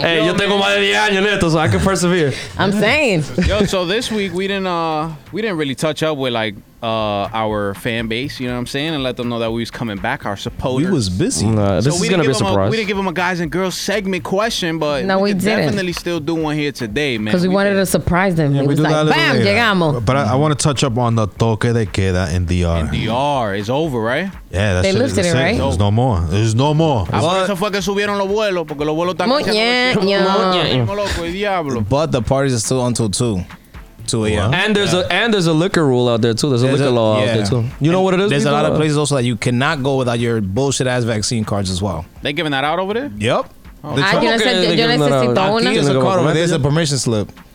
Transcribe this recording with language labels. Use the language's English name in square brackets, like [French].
[Spanish] Hey, yo tengo más de 10 años en esto, [English] so I can persevere. I'm saying. Yo, so this week we didn't really touch up with like. Our fan base, you know what I'm saying, and let them know that we was coming back. Our supporters, we was busy. This is gonna be a surprise. We didn't give them a guys and girls segment question, but no, we didn't. Definitely still do one here today, man. Because we wanted to surprise them. Yeah, we do like, that bam, later. [Spanish] Llegamos. [English] But I want to touch up on the toque de queda in DR. In DR is over, right? Yeah, that's they lifted it, right? There's no more. There's no more. [Spanish] Ahora se fue que subieron los vuelos porque los vuelos están muñeño. [English] But the parties are still until 2. And there's a liquor rule out there too. There's a liquor law out there too. You know what it is? There's a lot of places also that you cannot go without your bullshit ass vaccine cards as well. They giving that out over there? Yep. There's a permission slip.